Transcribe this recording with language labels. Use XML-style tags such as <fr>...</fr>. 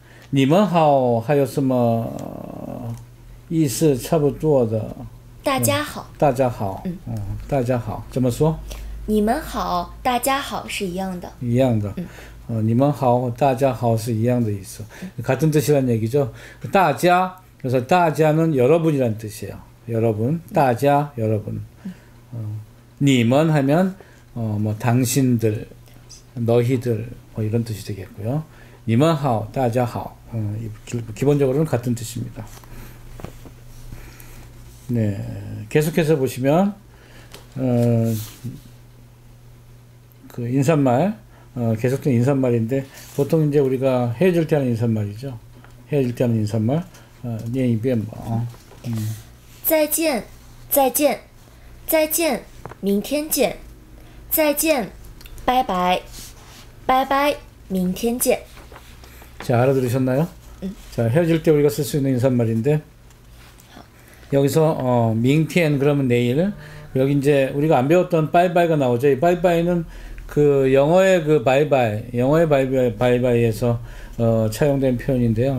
<zh>你们好还有什么意思差不多的？大家好，大家好。大家好，怎么说？你们好，大家好是一样的，一样的。你们好，大家好是一样的意思，</zh> <ko>같은 뜻이란 얘기죠. 大家그래서 大家는 여러분이란 뜻이에요. 여러분, 다자, 여러분. 니먼 하면 뭐 당신들, 너희들 뭐 이런 뜻이 되겠고요. 니먼 하오, 다자 하오. 기본적으로는 같은 뜻입니다. 네, 계속해서 보시면 그 인사말, 계속된 인사말인데 보통 이제 우리가 헤어질 때 하는 인사말이죠. 헤어질 때 하는 인사말.</ko> <zh>念一遍吧。再见，再见，再见，明天见，再见，拜拜，拜拜，明天见。</zh> <ko>자, 알아들으셨나요? 자, 헤어질 때 우리가 쓸수 있는 인사말인데 여기서 明天 그러면 내일. 여기 이제 우리가 안 배웠던 바이바이가 나오죠. 이 바이바이는 그 영어의 그 바이바이, 영어의 바이바이에서 차용된 표현인데요.</ko>